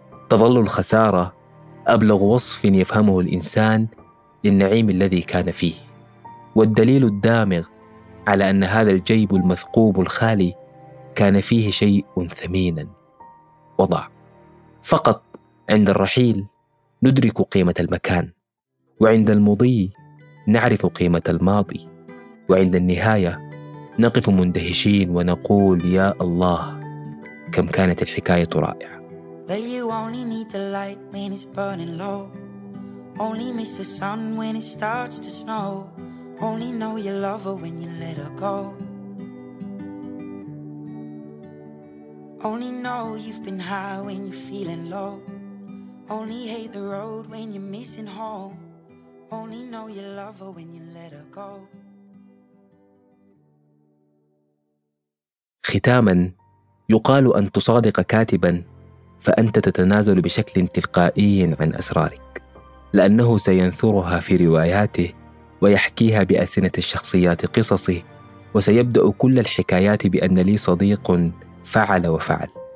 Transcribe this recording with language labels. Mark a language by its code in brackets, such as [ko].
[ar] تظل الخسارة أبلغ وصف يفهمه الإنسان للنعيم الذي كان فيه، والدليل الدامغ على أن هذا الجيب المثقوب الخالي كان فيه شيء ثمينا وضع. فقط عند الرحيل ندرك قيمة المكان، وعند المضي نعرف قيمة الماضي، وعند النهاية نقف مندهشين ونقول يا الله كم كانت الحكاية رائعة. [en] Well, you only need the light when it's burning low. Only miss the sun when it starts to snow. Only know you love her when you let her go. Only know you've been high when you're feeling low. Only hate the road when you're missing home. Only know you love her when you let her go. [ar] ختاماً، يقال أن تصادق كاتباً فأنت تتنازل بشكل تلقائي عن أسرارك، لأنه سينثرها في رواياته ويحكيها بأسنة الشخصيات قصصه، وسيبدأ كل الحكايات بأن لي صديق فعل وفعل.